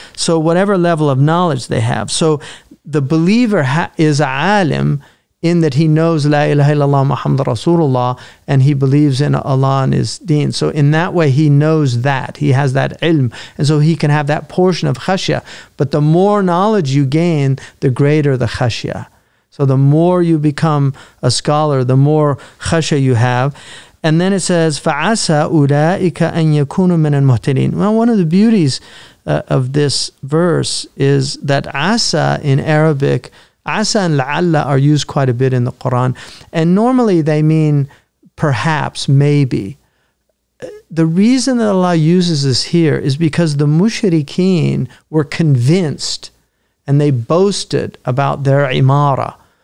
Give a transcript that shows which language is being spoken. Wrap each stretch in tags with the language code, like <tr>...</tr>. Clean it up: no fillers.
<en>So whatever level of knowledge they have. So the believer is alim, in that he knows la ilaha illallah Muhammad Rasulullah, and he believes in Allah and his deen. So in that way, he knows that. He has that ilm. And so he can have that portion of khashya. But the more knowledge you gain, the greater the khashya. So the more you become a scholar, the more khashya you have. And then it says,</en> <ar>فَعَسَىٰ أُولَٰئِكَ أَن يَكُونُ مِنَ الْمُهْتَدِينَ.</ar> <en>Well, one of the beauties of this verse is that asa in Arabic, asa and la'alla are used quite a bit in the Quran. And normally they mean perhaps, maybe. The reason that Allah uses this here is because the mushrikeen were convinced and they boasted about their imara.</en>